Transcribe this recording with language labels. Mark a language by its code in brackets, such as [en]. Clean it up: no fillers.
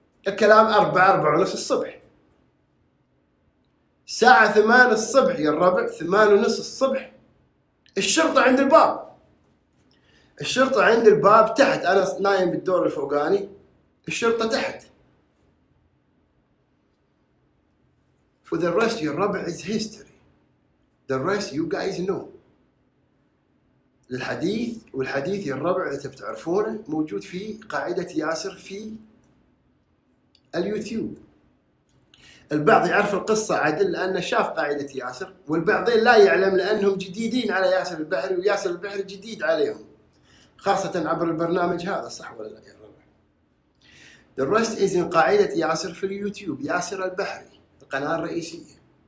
[ar] الكلام 4:30 الصبح، الساعة 8 الصبح يا الربع، 8:30 الصبح الشرطة عند الباب، الشرطة عند الباب تحت، أنا نايم بالدور الفوقاني الشرطة تحت. [en] For the rest [ar] يا الربع [en] is history, the rest you guys know. [ar] الحديث والحديث يا الربع إذا بتعرفونه موجود في قاعدة ياسر في اليوتيوب. البعض يعرف القصة عدل لأنه شاف قاعدة ياسر، والبعضين لا يعلم لأنهم جديدين على ياسر البحري وياسر البحري جديد عليهم، خاصة عبر البرنامج هذا، صح ولا لا يا الربع؟ [en] The rest is in [ar] قاعدة ياسر في اليوتيوب، ياسر البحري القناة الرئيسية.